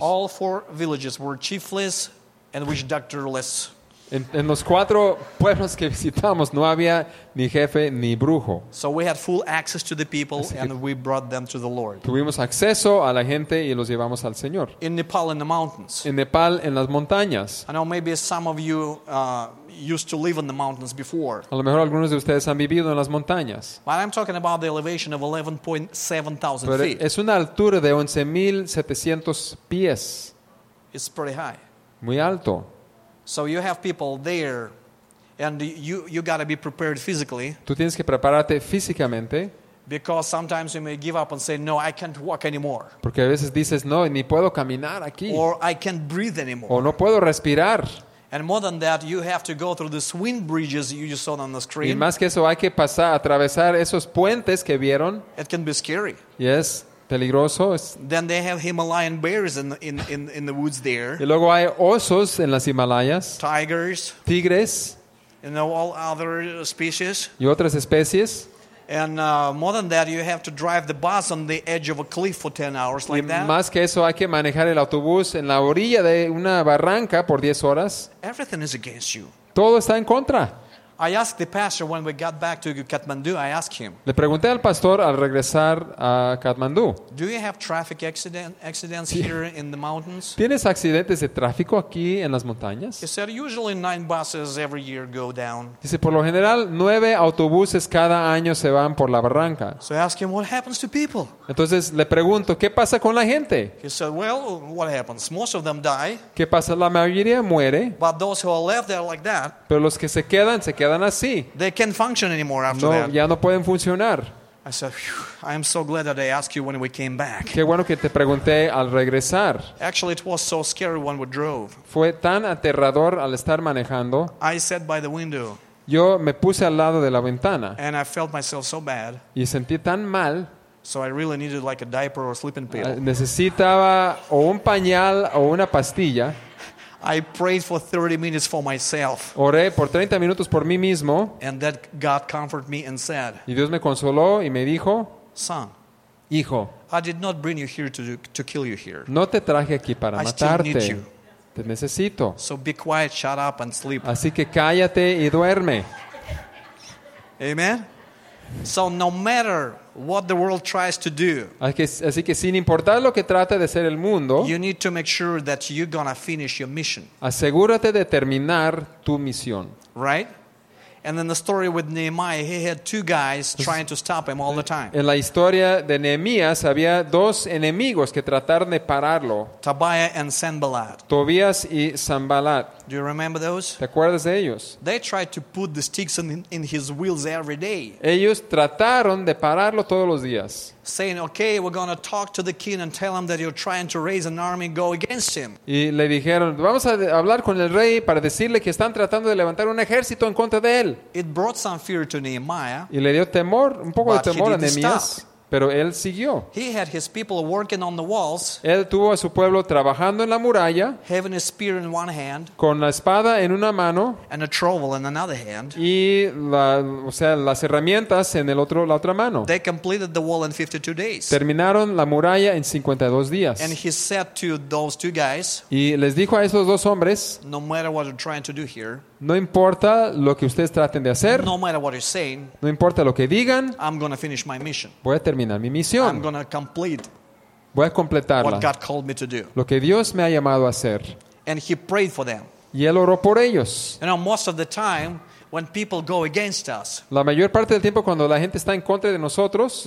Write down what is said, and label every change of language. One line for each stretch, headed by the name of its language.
English: All 4 villages were chiefless and witch doctorless.
Spanish: En los 4 pueblos que visitamos no había ni jefe ni brujo.
English: So we had full access to the people and we brought them to the Lord.
Spanish: Tuvimos acceso a la gente y los llevamos al Señor.
English: In Nepal, in the mountains.
Spanish: En Nepal, en las montañas.
English: I know maybe some of you used to live in the mountains before.
Spanish: A lo mejor algunos de ustedes han vivido en las montañas.
English: But I'm talking about the elevation of 11,700 feet.
Spanish: Pero es una altura de 11,700 pies.
English: It's pretty high.
Spanish: Muy alto.
English: So you have people there, and you got to be prepared physically.
Spanish: Tú tienes que prepararte físicamente.
English: Because sometimes you may give up and say, "No, I can't walk anymore."
Spanish: Porque a veces dices, no, ni puedo caminar aquí.
English: Or I can't breathe anymore.
Spanish: O no puedo respirar.
English: And more than that, you have to go through these wind bridges you just saw on the screen.
Spanish: Y más que eso, hay que pasar, atravesar esos puentes que vieron.
English: It can be scary. Yes.
Spanish: Peligroso.
English: Then they have Himalayan bears in the woods there.
Spanish: Y luego hay osos en las Himalayas.
English: Tigers.
Spanish: Tigres.
English: You know, all other species.
Spanish: Y otras especies.
English: And more than that, you have to drive the bus on the edge of a cliff for 10 hours like that.
Spanish: Y más que eso, hay que manejar el autobús en la orilla de una barranca por 10 horas.
English: Everything is against you.
Spanish: Todo está en contra.
English: I asked the pastor when we got back to Kathmandu, I asked him.
Spanish: Le pregunté al pastor al regresar a Kathmandu.
English: Do you have traffic accidents here in the mountains?
Spanish: ¿Tienes accidentes de tráfico aquí en las montañas?
English: He said usually 9 buses every year go down.
Spanish: Dice por lo general 9 autobuses cada año se van por la barranca.
English: So I asked him what happens to people.
Spanish: Entonces le pregunto, ¿qué pasa con la gente?
English: He said, well, what happens? Most of them die.
Spanish: ¿Qué pasa? La mayoría muere.
English: But those who are left there like that.
Spanish: Pero los que se quedan así.
English: They can't function anymore after
Spanish: no,
English: that.
Spanish: Ya no pueden funcionar.
English: I said, I am so glad that I asked you when we came back.
Spanish: Qué bueno que te pregunté al regresar.
English: Actually, it was so scary when we drove.
Spanish: Fue tan aterrador al estar manejando.
English: I sat by the window.
Spanish: Yo me puse al lado de la ventana.
English: And I felt myself so bad.
Spanish: Y sentí tan mal.
English: So I really needed like a diaper or sleeping pill.
Spanish: Necesitaba o un pañal o una pastilla.
English: I prayed for 30 minutes for myself.
Spanish: Oré por 30 minutos por mí mismo.
English: And that God comforted me and said.
Spanish: Y Dios me consoló y me dijo,
English: son,
Spanish: hijo,
English: I did not bring you here to kill you here.
Spanish: No te traje aquí para
English: I
Spanish: matarte.
English: Still need you.
Spanish: Te necesito.
English: So be quiet, shut up and sleep.
Spanish: Así que cállate y duerme.
English: Amen. So no matter what the world tries to do.
Spanish: Así que sin importar lo que trate de hacer el mundo.
English: You need to make sure that you're gonna finish your mission.
Spanish: Asegúrate de terminar tu misión.
English: Right? And then the story with Nehemiah, he had two guys trying to stop him all the time.
Spanish: En la historia de Nehemías había dos enemigos que trataron de pararlo.
English: Tobiah and Sanballat.
Spanish: Tobías y Sanballat.
English: Do you remember those?
Spanish: ¿Te acuerdas de ellos?
English: They tried to put the sticks in his wheels every day.
Spanish: Ellos trataron de pararlo todos los días.
English: Saying, okay, we're going to talk to the king and tell him that you're trying to raise an army and go against him.
Spanish: Y le dijeron, vamos a hablar con el rey para decirle que están tratando de levantar un ejército en contra de él.
English: It brought some fear to Nehemiah.
Spanish: Y le dio temor, un poco de temor a Nehemías. Pero él siguió.
English: He had his people working on the walls.
Spanish: Él tuvo a su pueblo trabajando en la muralla.
English: Having a spear in one hand.
Spanish: Con la espada en una mano.
English: And a trowel in another hand.
Spanish: Y la, o sea, las herramientas en el otro, la otra mano.
English: They completed the wall in 52 days.
Spanish: Terminaron la muralla en 52 días.
English: And he said to those two guys.
Spanish: Y les dijo a esos dos hombres.
English: No matter what you're trying to do here.
Spanish: No importa lo que ustedes traten de hacer.
English: No matter what you're saying.
Spanish: No importa lo que digan.
English: I'm gonna finish my mission.
Spanish: Voy a terminar mi misión.
English: I'm gonna complete.
Spanish: Voy a completarla.
English: What God called me to do.
Spanish: Lo que Dios me ha llamado a hacer.
English: And he prayed for them.
Spanish: Y él oró por ellos.
English: You know, most of the time when people go against us.
Spanish: La mayor parte del tiempo cuando la gente está en contra de nosotros.